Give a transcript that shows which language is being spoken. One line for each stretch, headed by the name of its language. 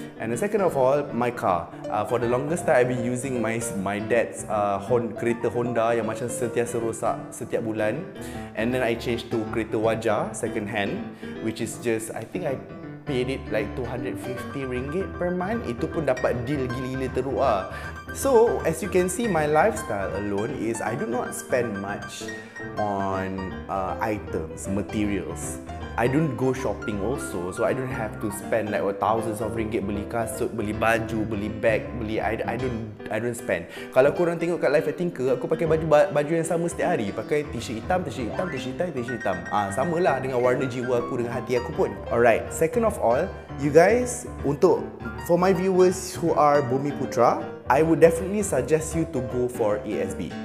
English: And the second of all, my car. For the longest time, I've been using my dad's
Malay: kereta Honda yang macam sentiasa rosak setiap bulan.
English: And then I changed to
Malay: kereta wajah,
English: second hand, which is just, I think I paid it like 250 ringgit per month.
Malay: Itu pun dapat deal gila-gila teruk lah.
English: So, as you can see, my lifestyle alone is I do not spend much on items, materials. I don't go shopping also, so I don't have to spend like thousands of ringgit
Malay: beli kasut, beli baju, beli bag, beli
English: I don't spend.
Malay: Kalau korang tengok kat Life at Tinker, aku pakai baju yang sama setiap hari. Pakai t-shirt hitam, t-shirt hitam, t-shirt hitam, t-shirt hitam. Samalah dengan warna jiwa aku, dengan hati aku pun.
English: Alright, second of all, you guys, for my viewers who are Bumi Putra, I would definitely suggest you to go for ASB.